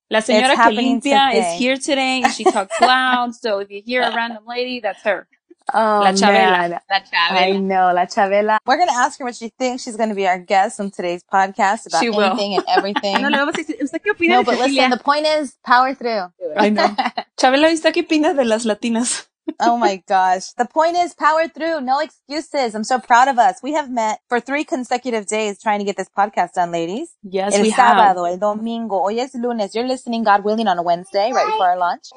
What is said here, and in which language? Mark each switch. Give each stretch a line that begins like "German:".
English: La señora Calimpia is here today and she talks loud. So if you hear a random lady, that's her. Oh, La Chavela. Man. I know, La Chavela. We're going to ask her what she thinks. She's going to be our guest on today's podcast about anything and everything. No, but listen, the point is power through. I know.
Spanish: Chavela, ¿usted qué opina de las latinas?
English: Oh my gosh. The point is power through. No excuses. I'm so proud of us. We have met for 3 consecutive days trying to get this podcast done, ladies. Yes,
Spanish: el
English: we
Spanish: sábado,
English: have.
Spanish: El domingo. Hoy es lunes.
English: You're listening, God willing, on a Wednesday, right before our launch.